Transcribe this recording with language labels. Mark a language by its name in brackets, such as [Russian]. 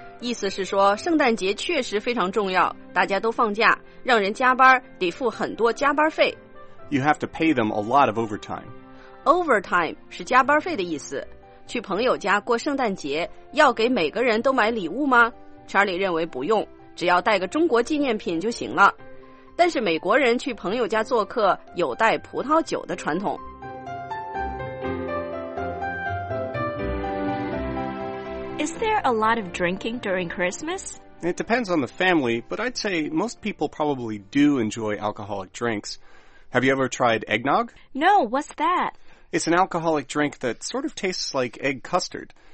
[Chinese] 意思是说，圣诞节确实非常重要，大家都放假，让人加班得付很多加班费。 [English] You have to pay them a lot of overtime. [Chinese] Overtime 是加班费的意思。去朋友家过圣诞节，要给每个人都买礼物吗 ？Charlie 认为不用，只要带个中国纪念品就行了。但是美国人去朋友家做客有带葡萄酒的传统。 [English] Is there a lot of drinking during Christmas? It depends on the family, but I'd say most people probably do enjoy alcoholic drinks. Have you ever tried eggnog? No, what's that? It's an alcoholic drink that sort of tastes like egg custard.